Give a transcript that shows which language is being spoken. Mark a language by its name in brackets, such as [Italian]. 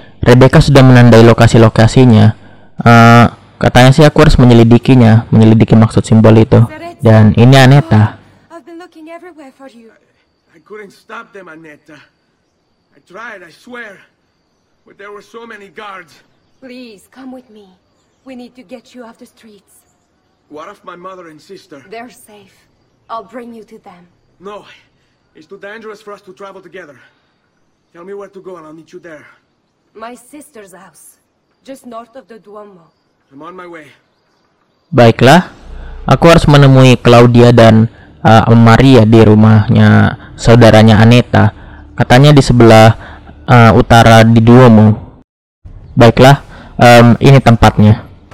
[Indonesian] Rebecca sudah menandai lokasi-lokasinya. Katanya sih aku harus menyelidikinya, menyelidiki maksud simbol itu. Dan ini Aneta. [English] I've been looking everywhere for you. I couldn't stop them, Aneta. I tried, I swear. But there were so many guards. Please, come with me. We need to get you off the streets. What of my mother and sister? They're safe. I'll bring you to them. No, it's too dangerous for us to travel together. Tell me where to go and I'll meet you there. My sister's house, just north of the Duomo. I'm on my way. [Indonesian] Baiklah, aku harus menemui Claudia dan Maria di rumahnya saudaranya Aneta. Katanya di sebelah utara di Duomo. Baiklah, ini tempatnya.